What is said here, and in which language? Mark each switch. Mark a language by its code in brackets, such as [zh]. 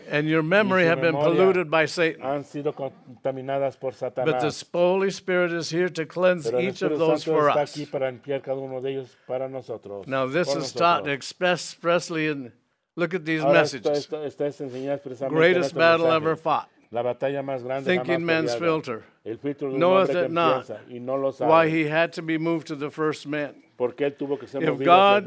[en] and your memory have been polluted by Satan. [es] Han sido contaminadas por Satanás. [en] But the Holy Spirit is here to cleanse [es] pero [en] each of those [es] Santo [en] for [es] está [en] us. [es] Aquí para limpiar cada uno de ellos para nosotros. [en] Now this is taught expressly in, look at these messages. Greatest battle ever fought. [es] La batalla más grande. [en] Thinking man's filter. [es] El filtro de [en] knoweth [es] que [en] it not. [es] Y no lo sabe. [en] Why he had to be moved to the first man. [es] Porque él tuvo que ser [en] if God